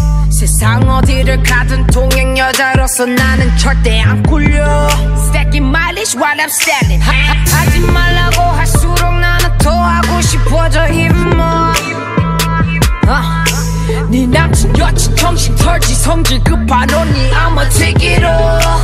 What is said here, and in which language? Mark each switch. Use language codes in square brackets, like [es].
[ko] 세상 어디를 가든 동행 여자로서 나는 절대 안 꿀려. [en] Stacking mileage while I'm standing. [ko] 하지 말라고 할수록 나는 더 하고 싶어져 [en] even more. [ko] 네 남친 여친 정신 털지 성질 급한 언니 [en] I'ma take it all.